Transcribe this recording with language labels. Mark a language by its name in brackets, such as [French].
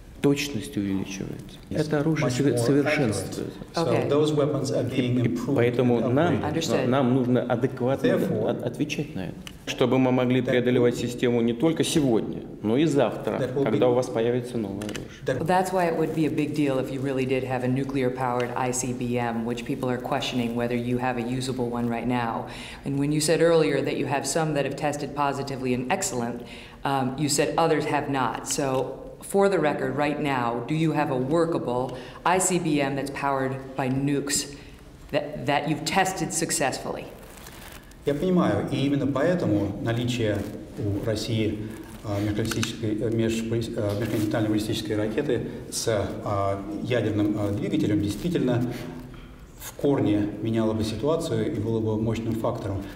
[Russian] Точность увеличивается. [English] Yes. [Russian] Это оружие совершенствуется. [English] Okay. [Russian] Поэтому нам нужно адекватно отвечать на это, чтобы мы могли преодолевать систему не только сегодня, но и завтра, когда у вас появится новое оружие. [English] That's why it would be a big deal if you really did have a nuclear-powered ICBM, which people are questioning whether you have a usable one right now. And when you said earlier that you have some that have tested positively and excellent, you said others have not. So for the record, right now, do you have a workable ICBM that's powered by nukes that you've tested successfully? [Russian] Я понимаю, и именно поэтому наличие у России межконтинентальной баллистической ракеты с ядерным двигателем действительно в корне меняло бы ситуацию и было бы мощным фактором.